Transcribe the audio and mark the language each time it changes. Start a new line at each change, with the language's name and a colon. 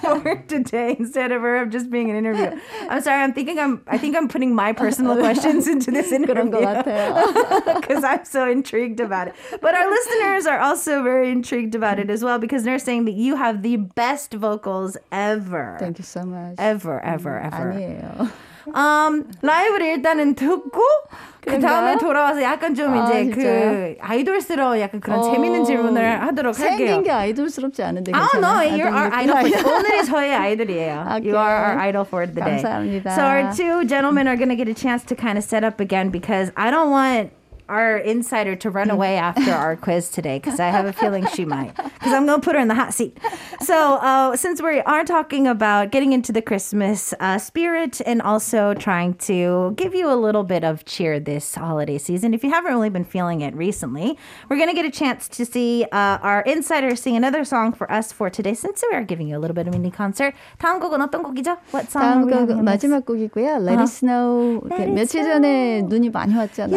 English: for her today instead of her just being an interview. I'm sorry. I think I'm putting my personal questions into this interview because I'm so intrigued about it. But our listeners are also very intrigued about it as well because they're saying that you have the best vocals ever. Thank you so much. Ever.
Korean: 아니에요. 라이브를 일단은 듣고 그 다음에 돌아와서 약간 좀 그 아이돌스러운 약간 그런 재밌는 질문을 하도록 할게요. 생긴 게 아이돌스럽지 않은데.
English: Oh no, you're our idol. For
Korean: 오늘이 저의 아이돌이에요.
English: Okay. You are our idol for the day.
Korean: 감사합니다.
English: So our two gentlemen are going to get a chance to kind of set up again because I don't want our insider to run away after our quiz today because I have a feeling she might because I'm going to put her in the hot seat. So since we are talking about getting into the Christmas spirit and also trying to give you a little bit of cheer this holiday season, if you haven't really been feeling it recently, we're going to get a chance to see our insider sing another song for us for today since we are giving you a little bit of a mini concert.
Korean: 다음 곡은 어떤 곡이죠?
English: What song
Korean: 다음 곡 마지막 곡이고요.
English: Let It Snow.
Korean: 며칠 전에 눈이 많이 왔잖아요.